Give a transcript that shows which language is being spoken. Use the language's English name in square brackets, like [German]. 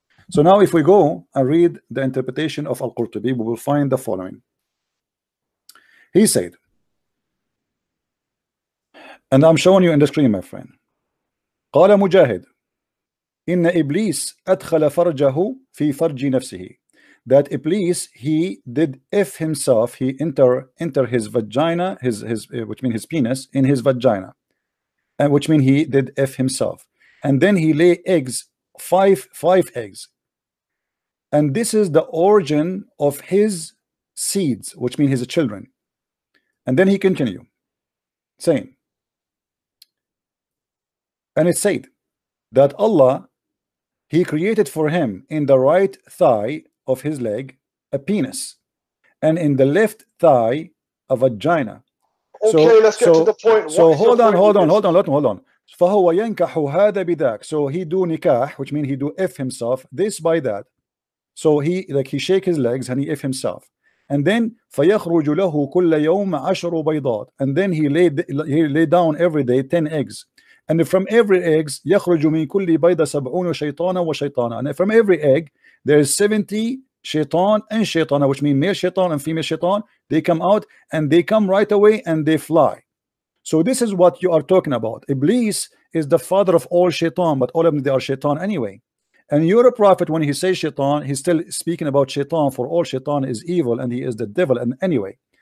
[English] So now if we go and read the interpretation of Al-Qurtubi, we will find the following. He said, and I'm showing you in the screen, my friend. [Arabic] قال مجاهد إن إبليس أدخل فرجه في فرج نفسه. [English] That Iblis, he did if himself, he enter his vagina, which means his penis, in his vagina, and which means he did if himself, and then he lay eggs, five eggs, and this is the origin of his seeds, which means his children. And then he continued saying, and it said that Allah, he created for him in the right thigh of his leg a penis, and in the left thigh a vagina. Okay, so, let's get to the point. So hold on. [Arabic] فَهُوَ يَنْكَحُ هَذَا بِذَاكَ. [English] So he do nikah, which means he do if himself, this by that. So he shake his legs and he if himself. And then [Arabic] فَيَخْرُجُ لَهُ كُلَّ يَوْمَ عَشْرُ بَيْضَاتِ. [English] And then he lay down every day 10 eggs. And from every eggs, [Arabic] يَخْرُجُ مِنْ كُلِّ بَيْضَ سَبْعُونُ شَيْطَانَ وَشَيْطَانَ. [English] And from every egg, there is 70 shaitan and shaitana, which means male shaitan and female shaitan. They come out and they come right away and they fly. So this is what you are talking about. Iblis is the father of all shaitan, but all of them, they are shaitan anyway. And you're a prophet, when he says shaitan, he's still speaking about shaitan, for all shaitan is evil and he is the devil and anyway.